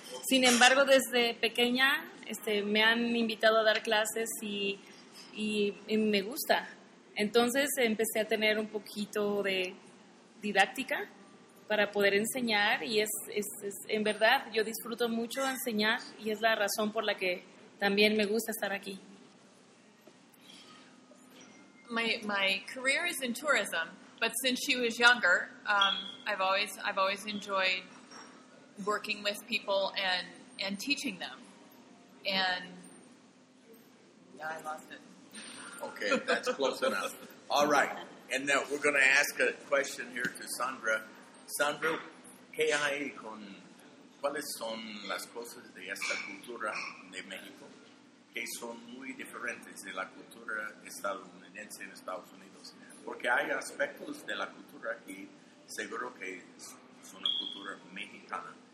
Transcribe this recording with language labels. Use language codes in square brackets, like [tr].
[es] Sin embargo, desde pequeña, me han invitado a dar clases y me gusta. Entonces empecé a tener un poquito de didáctica para poder enseñar y es en verdad yo disfruto mucho enseñar y es la razón por la que también me gusta estar aquí. [en] My career is in tourism, but since she was younger, I've always enjoyed working with people and teaching them. And yeah, I lost it. Okay, that's close enough. All right. And now we're going to ask a question here to Sandra. [es] Sandra, ¿qué hay con, cuáles son las cosas de esta cultura de México que son muy diferentes de la cultura estadounidense en Estados Unidos? Porque hay aspectos de la cultura aquí, seguro que es una cultura mexicana.